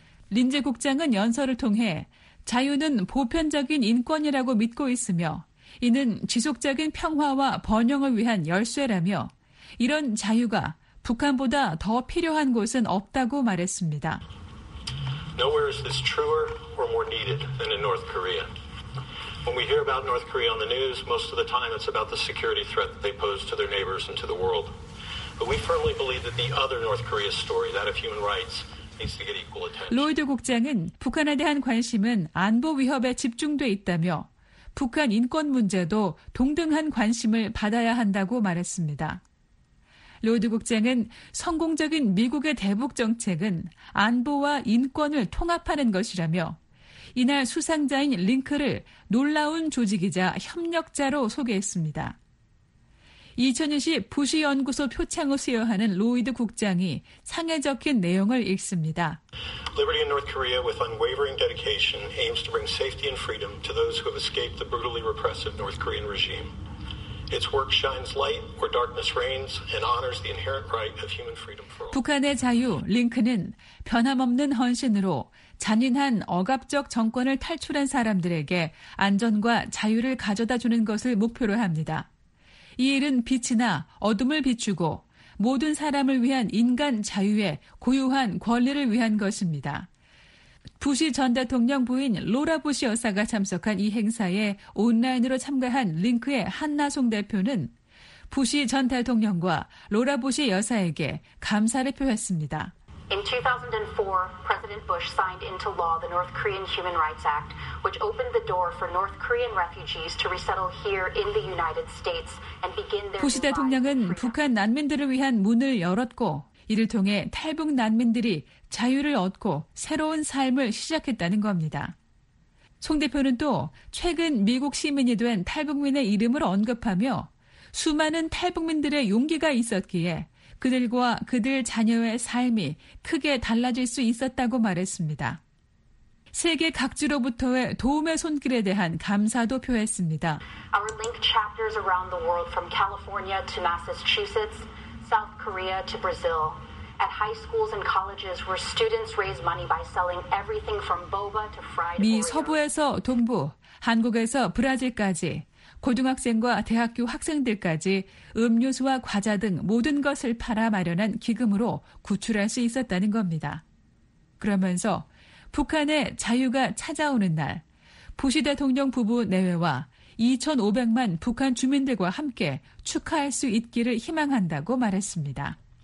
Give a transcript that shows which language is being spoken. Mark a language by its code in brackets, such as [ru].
[ko] 린지 국장은 연설을 통해 자유는 보편적인 인권이라고 믿고 있으며 이는 지속적인 평화와 번영을 위한 열쇠라며 이런 자유가 북한보다 더 필요한 곳은 없다고 말했습니다. [en] Nowhere is this truer or more needed than in North Korea. When we hear about North Korea on the news, most of the time it's about the security threat that they pose to their neighbors and to the world. But we firmly believe that the other North Korea story, that of human rights, [ko] 로이드 국장은 북한에 대한 관심은 안보 위협에 집중돼 있다며 북한 인권 문제도 동등한 관심을 받아야 한다고 말했습니다. 로이드 국장은 성공적인 미국의 대북 정책은 안보와 인권을 통합하는 것이라며 이날 수상자인 링크를 놀라운 조직이자 협력자로 소개했습니다. 2020 부시 연구소 표창을 수여하는 로이드 국장이 상에 적힌 내용을 읽습니다. [en] Liberty in North Korea with unwavering dedication aims to bring safety and freedom to those who have escaped the brutally repressive North Korean regime. Its work shines light where darkness reigns and honors the inherent right of human freedom for all. [ko] 북한의 자유, 링크는 변함없는 헌신으로 잔인한 억압적 정권을 탈출한 사람들에게 안전과 자유를 가져다 주는 것을 목표로 합니다. 이 일은 빛이나 어둠을 비추고 모든 사람을 위한 인간 자유의 고유한 권리를 위한 것입니다. 부시 전 대통령 부인 로라 부시 여사가 참석한 이 행사에 온라인으로 참가한 링크의 한나송 대표는 부시 전 대통령과 로라 부시 여사에게 감사를 표했습니다. [en] In 2004, President Bush signed into law the North Korean Human Rights Act, which opened the door for North Korean refugees to resettle here in the United States and begin their. [ko] 부시 대통령은 북한 난민들을 위한 문을 열었고 이를 통해 탈북 난민들이 자유를 얻고 새로운 삶을 시작했다는 겁니다. 송 대표는 또 최근 미국 시민이 된 탈북민의 이름을 언급하며 수많은 탈북민들의 용기가 있었기에 그들과 그들 자녀의 삶이 크게 달라질 수 있었다고 말했습니다. 세계 각지로부터의 도움의 손길에 대한 감사도 표했습니다. [en] Our link chapters around the world from California to Massachusetts, South Korea to Brazil. At high schools and colleges where students raise money by selling everything from boba to fried oreo. [ko] 미 서부에서 동부, 한국에서 브라질까지 고등학생과 대학교 학생들까지 음료수와 과자 등 모든 것을 팔아 마련한 기금으로 구출할 수 있었다는 겁니다. 그러면서 북한의 자유가 찾아오는 날, 부시 대통령 부부 내외와 2,500만 북한 주민들과 함께 축하할 수 있기를 희망한다고 말했습니다.